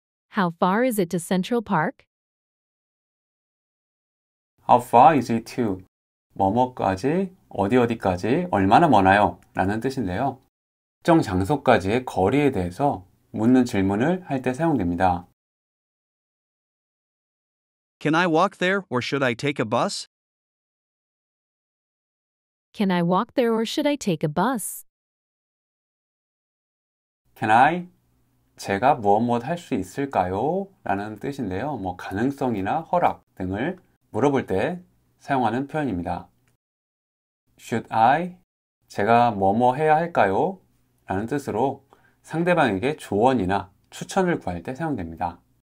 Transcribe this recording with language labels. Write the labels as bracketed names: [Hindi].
[English] How far is it to Central Park? How far is it to? [Korean] 뭐뭐까지, 어디어디까지, 얼마나 머나요? 라는 뜻인데요. 특정 장소까지의 거리에 대해서 묻는 질문을 할 때 사용됩니다. [English] Can I walk there or should I take a bus? Can I walk there or should I take a bus? Can I? [Korean] 제가 무엇 할 수 있을까요? 라는 뜻인데요. 뭐 가능성이나 허락 등을 물어볼 때 사용하는 표현입니다. Should I? 제가 뭐뭐 해야 할까요? 라는 뜻으로 상대방에게 조언이나 추천을 구할 때 사용됩니다.